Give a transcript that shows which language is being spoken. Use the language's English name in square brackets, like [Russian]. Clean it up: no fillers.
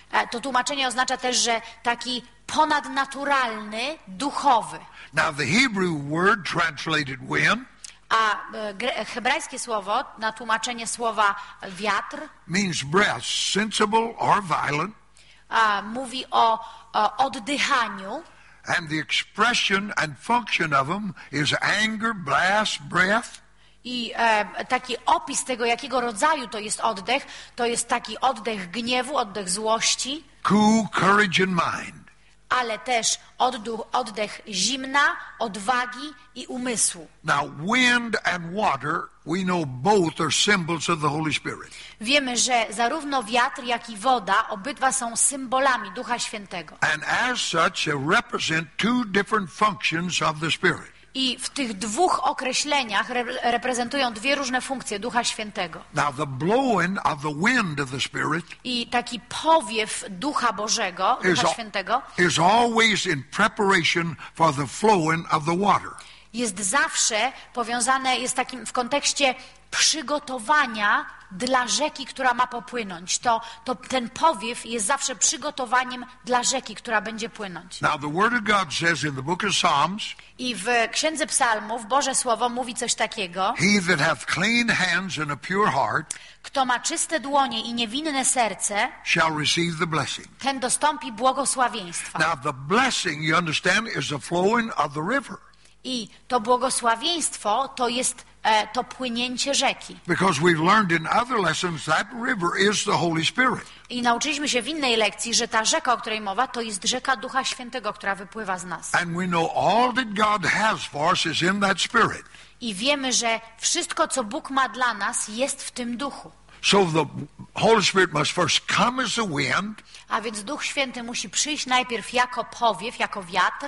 [Polish] To tłumaczenie oznacza też, że taki ponadnaturalny, duchowy. [English] Now the Hebrew word translated wind. [Polish] A hebrajskie słowo na tłumaczenie słowa wiatr [English] means breath, sensible or violent. [Polish] A mówi o oddychaniu. [English] And the expression and function of them is anger, blast, breath. [Polish] I taki opis tego, jakiego rodzaju to jest taki oddech gniewu, oddech złości. [English] Cool, courage and mind. [Polish] Ale też oddech zimna, odwagi i umysłu. [English] Now wind and water, we know both are symbols of the Holy Spirit. [Polish] Wiemy, że zarówno wiatr, jak i woda, obydwa są symbolami Ducha Świętego. [English] And as such, they represent two different functions of the Spirit. [Polish] I w tych dwóch określeniach reprezentują dwie różne funkcje Ducha Świętego. [English] Now the blowing of the wind of the Spirit. [Polish] I taki powiew Ducha Bożego, Ducha Świętego. [English] Is always in preparation for the flowing of the water. [Polish] Jest zawsze powiązane, jest takim w kontekście przygotowania dla rzeki, która ma popłynąć. To ten powiew jest zawsze przygotowaniem dla rzeki, która będzie płynąć. [English] Now the word of God says in the book of Psalms. [Polish] I w Księdze Psalmów Boże Słowo mówi coś takiego. [English] He that hath clean hands and a pure heart. [Polish] Kto ma czyste dłonie i niewinne serce. [English] Shall receive the blessing. [Polish] Ten dostąpi błogosławieństwa. [English] Now the blessing, you understand, is the flowing of the river. [Polish] I to błogosławieństwo to jest to płynięcie rzeki. [English] Because we've learned in other lessons that river is the Holy Spirit. [Polish] I nauczyliśmy się w innej lekcji, że ta rzeka, o której mowa, to jest rzeka Ducha Świętego, która wypływa z nas. [English] And we know all that God has for us is in that Spirit. [Polish] I wiemy, że wszystko, co Bóg ma dla nas, jest w tym duchu. [English] So the Holy Spirit must first come as a wind. [Polish] A więc Duch Święty musi przyjść najpierw jako powiew, jako wiatr.